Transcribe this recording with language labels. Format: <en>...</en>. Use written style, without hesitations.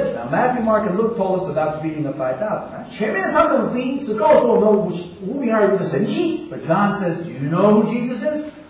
<en>Now Matthew, Mark, and Luke told us about feeding the 5,000. Right?</en> <zh>前面三本福音只告诉我们五饼二鱼的神迹.</zh> <en>But John says, do you know who Jesus is?</en>